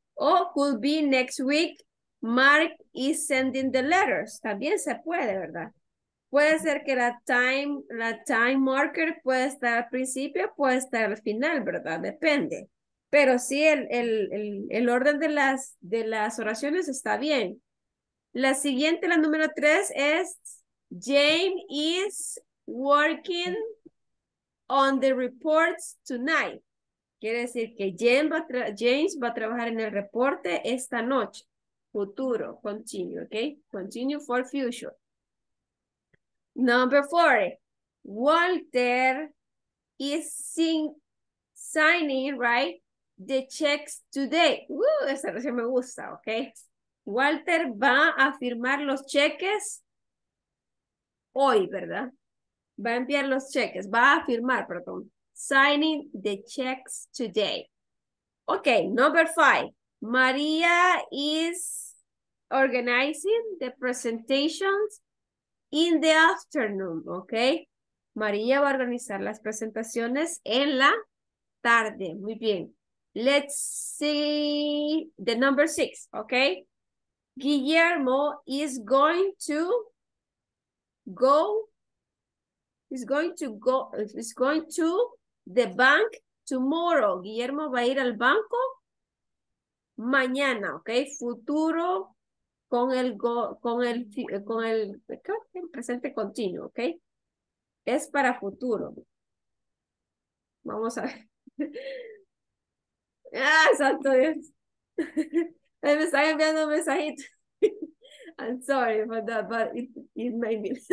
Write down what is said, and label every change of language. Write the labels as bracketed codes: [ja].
[en] O could be next week, Mark is sending the letters. [es] También se puede, ¿verdad? Puede ser que la time marker puede estar al principio, puede estar al final, ¿verdad? Depende. Pero sí, el orden de las oraciones está bien. La siguiente, la número tres, es [en] Jane is working on the reports tonight. [es] Quiere decir que James va a trabajar en el reporte esta noche. [en] Futuro, continue, ¿ok? Continue for future. Number four, Walter is signing, right, the checks today. [es] Esa oración me gusta, ¿ok? Walter va a firmar los cheques hoy, ¿verdad? Va a enviar los cheques, va a firmar, perdón. [en] Signing the checks today. Okay, number five. Maria is organizing the presentations in the afternoon, okay? [es] Maria va a organizar las presentaciones en la tarde. Muy bien. [en] Let's see the number six, okay? Guillermo is going to go. He's going to the bank tomorrow. [es] Guillermo va a ir al banco mañana, ¿ok? Futuro con el go, con el presente continuo, ¿ok? Es para futuro. Vamos a ver. ¡Ah, santo Dios! Me están enviando un mensajito. [en] I'm sorry for that, but it made me.